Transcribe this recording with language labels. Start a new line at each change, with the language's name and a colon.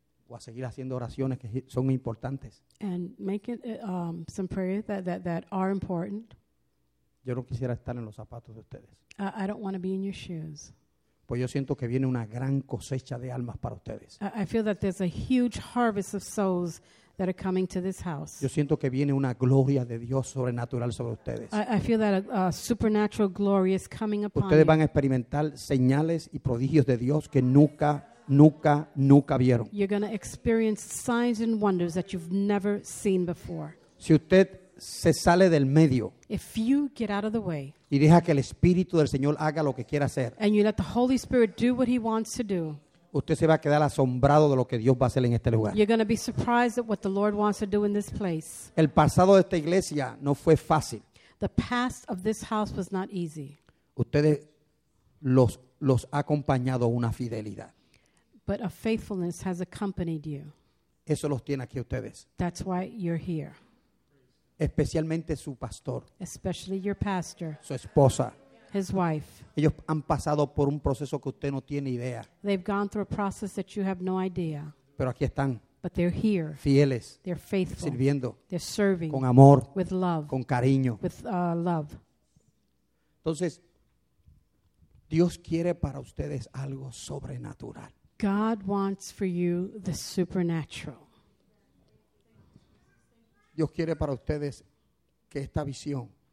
Spanish: o a seguir haciendo oraciones que son importantes,
English: and make it some prayer that are important,
Spanish: yo no quisiera estar en los zapatos de ustedes.
English: I don't want to be in your shoes.
Spanish: Pues yo siento que viene una gran cosecha de almas para ustedes.
English: I feel that there's a huge harvest of souls that are coming to this house.
Spanish: Yo siento que viene una gloria de Dios sobrenatural sobre ustedes.
English: I feel that a supernatural glory is coming upon you.
Spanish: Ustedes van a experimentar señales y prodigios de Dios que nunca vieron.
English: You're going to experience signs and wonders that you've never seen before.
Spanish: Si usted se sale del medio,
English: if you get out of the way,
Spanish: y deja que el Espíritu del Señor haga lo que quiera hacer,
English: and you let the Holy Spirit do what he wants to do,
Spanish: usted se va a quedar asombrado de lo que Dios va a hacer en este lugar.
English: You're going to be surprised at what the Lord wants to do in this place.
Spanish: El pasado de esta iglesia no fue fácil.
English: The past of this house was not easy.
Spanish: Ustedes los ha acompañado una fidelidad.
English: But a faithfulness has accompanied you.
Spanish: Eso los tiene aquí ustedes.
English: That's why you're here.
Spanish: Especialmente su pastor.
English: Especially your pastor.
Spanish: Su esposa.
English: His wife.
Spanish: Ellos han pasado por un proceso que usted no tiene idea.
English: They've gone through a process that you have no idea.
Spanish: Pero aquí están.
English: But they're here.
Spanish: Fieles.
English: They're faithful.
Spanish: Sirviendo.
English: They're serving.
Spanish: Con amor.
English: With love.
Spanish: Con cariño.
English: With love.
Spanish: Entonces, Dios quiere para ustedes algo sobrenatural.
English: God wants for you the supernatural.
Spanish: Dios quiere para ustedes que esta visión